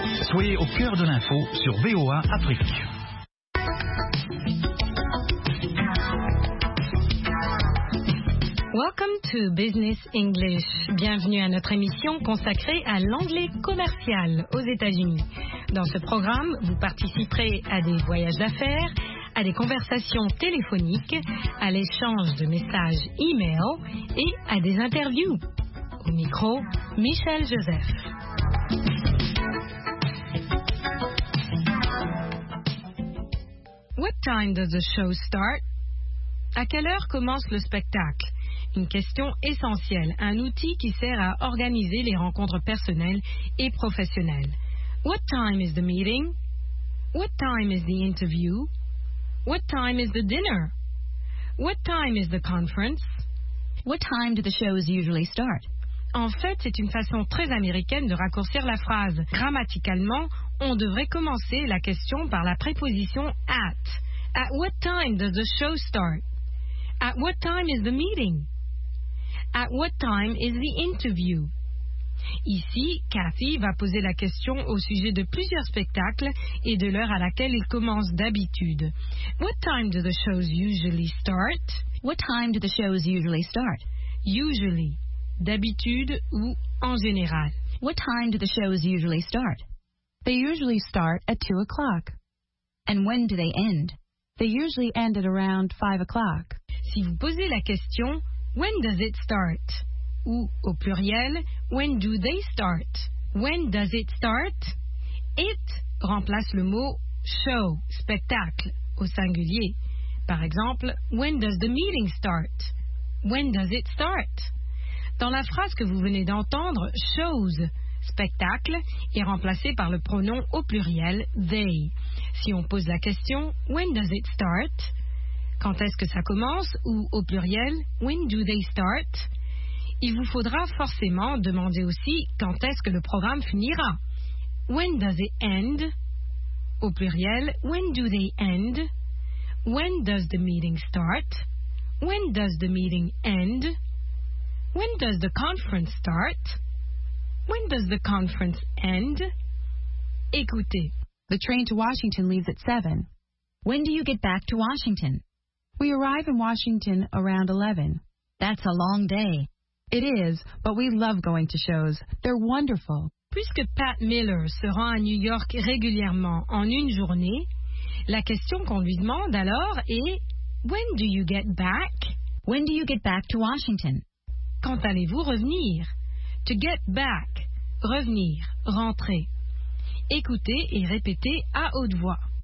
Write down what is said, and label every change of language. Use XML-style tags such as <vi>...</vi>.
<fr>Soyez au cœur de l'info sur VOA Afrique.</fr> <en>Welcome to Business English.</en> <fr>Bienvenue à notre émission consacrée à l'anglais commercial aux États-Unis. Dans ce programme, vous participerez à des voyages d'affaires, à des conversations téléphoniques, à l'échange de messages e-mail et à des interviews. Au micro, Michel Joseph.</fr> <en>What time does the show start?</en> <fr>À quelle heure commence le spectacle? Une question essentielle, un outil qui sert à organiser les rencontres personnelles et professionnelles.</fr> <en>What time is the meeting? What time is the interview? What time is the dinner? What time is the conference? What time do the shows usually start?</en> <fr>En fait, c'est une façon très américaine de raccourcir la phrase. Grammaticalement, on devrait commencer la question par la préposition at.</fr> <en>At what time does the show start? At what time is the meeting? At what time is the interview?</en> <fr>Ici, Kathy va poser la question au sujet de plusieurs spectacles et de l'heure à laquelle ils commencent d'habitude.</fr> <en>What time do the shows usually start? What time do the shows usually start?</en> <fr>Usually, d'habitude ou en général.</fr> <en>What time do the shows usually start? They usually start at 2 o'clock. And when do they end? They usually end at around 5 o'clock.</en> <fr>Si vous posez la question, when does it start? Ou, au pluriel, when do they start?</fr> <en>When does it start? It remplace le mot show, spectacle, au singulier. Par exemple, when does the meeting start? When does it start?</en> <fr>Dans la phrase que vous venez d'entendre, shows, spectacle, est remplacé par le pronom au pluriel, they. Si on pose la question, when does it start? Quand est-ce que ça commence? Ou, au pluriel, when do they start? Il vous faudra forcément demander aussi quand est-ce que le programme finira.</fr> <en>When does it end? Au pluriel, when do they end? When does the meeting start? When does the meeting end? When does the conference start? When does the conference end?</en> <fr>Écoutez.</fr> <en>The train to Washington leaves at 7. When do you get back to Washington? We arrive in Washington around 11. That's a long day. It is, but we love going to shows. They're wonderful.</en> <fr>Puisque Pat Miller se rend à New York régulièrement en une journée, la question qu'on lui demande alors est when do you get back?</fr> <en>When do you get back to Washington?</en> <fr>Quand allez-vous revenir? To get back, revenir, rentrer. Écoutez et répétez à haute voix.</fr>